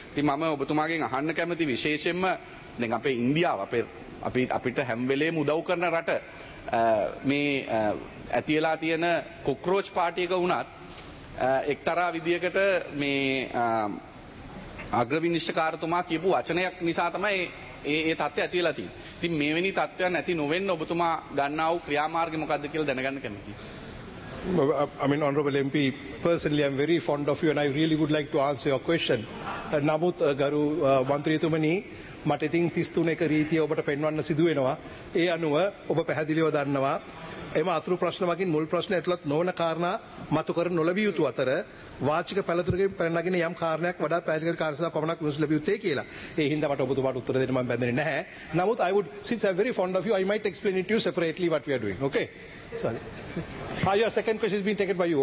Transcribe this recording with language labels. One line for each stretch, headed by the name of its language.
Sinhala: ඉතින් මම ඔබතුමාගෙන් අහන්න කැමති විශේෂයෙන්ම දැන් අපේ ඉන්දියාව අපිට හැම වෙලේම උදව් කරන රට මේ ඇති වෙලා තියෙන කොක්‍රෝච් පාටි එක වුණත් එක්තරා විදියකට මේ අග්‍රවිනිශ්චකාරතුමා කියපු වචනයක් නිසා තමයි ඒ තත්ත්වය ඇති වෙලා තියෙන්නේ. ඉතින් මේවැනි තත්ත්වයන් ඇති නොවෙන්න ඔබතුමා ගන්නා වූ ක්‍රියාමාර්ගය මොකක්ද කියලා දැනගන්න කැමතියි.
English: Honorable MP, personally, I'm very fond of you and I really would like to answer your question.
Sinhala: Namuth Garu Mantriyathumani, මට ඉතින් 33 රීතිය ඔබට පෙන්වන්න සිදු වෙනවා. ඒ අනුව ඔබ පැහැදිලිව දන්නවා එම අතුරු ප්‍රශ්න මගින් මුල් ප්‍රශ්න ඇතුළත් නොවන කාරණා මතු කර නොලැබිය යුතු අතර වාචික පැලතුරකින් පැනනගින යම් කාරණයක් වඩා පැහැදිලි කාරණා පමණක් විශ්ලේෂණය ලැබිය යුත්තේ කියලා. ඒ හින්දා මට ඔබතුමාට උත්තර දෙන්න මම බැඳෙන්නේ නැහැ. නමුත්
English: I would, since I'm very fond of you, I might explain it to you separately what we are doing. Okay? Sorry. Your second question has been taken by you.